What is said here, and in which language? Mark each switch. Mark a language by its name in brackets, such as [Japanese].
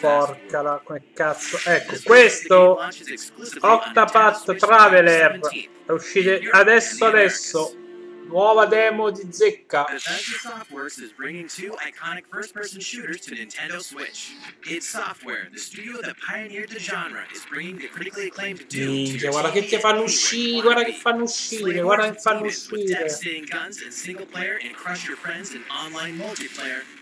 [Italian] porca la, come cazzo. Ecco, questo Octopath Traveler è uscito adesso. Nuova demo di zecca. [English] Bethesda Softworks is bringing two iconic first-person shooters to Nintendo Switch. Id Software, the studio that pioneered the genre, is bringing the critically acclaimed Doom. [Italian] Ninja, guarda che ti fanno uscire, guarda che fanno uscire, guarda che fanno uscire. [English] With devastating guns and single player and crush your friends in online multiplayer.